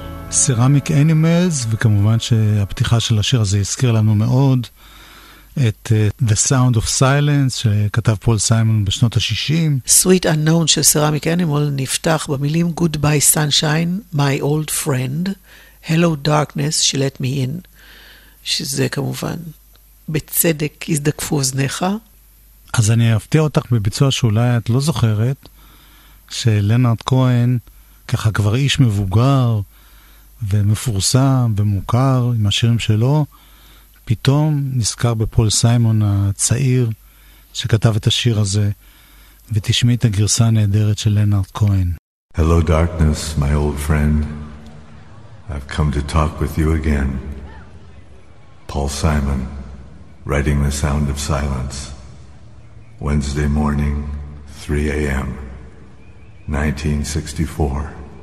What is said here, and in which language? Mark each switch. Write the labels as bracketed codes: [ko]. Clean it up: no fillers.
[he] סרמיק אנימלס, וכמובן שהפתיחה של השיר הזה הזכיר לנו מאוד את The Sound of Silence שכתב פול סיימון בשנות ה-60. Sweet Unknown של סרמיק אנימלס נפתח במילים [en] Goodbye Sunshine, My Old Friend, Hello Darkness, She Let Me In, [he] שזה כמובן בצדק הזדקפו אוזניך. אז אני אפתיע אותך בביצוע שאולי את לא זוכרת, שלנרד כהן, ככה כבר איש מבוגר ומפורסם ומוכר עם השירים שלו, פתאום נזכר בפול סיימון הצעיר שכתב את השיר הזה, ותשמעי את הגרסה הנהדרת של לנרד כהן. [en] Hello darkness, my old friend. I've come to talk with you again. Paul Simon, writing the sound of silence. Wednesday morning, 3 a.m. 1964.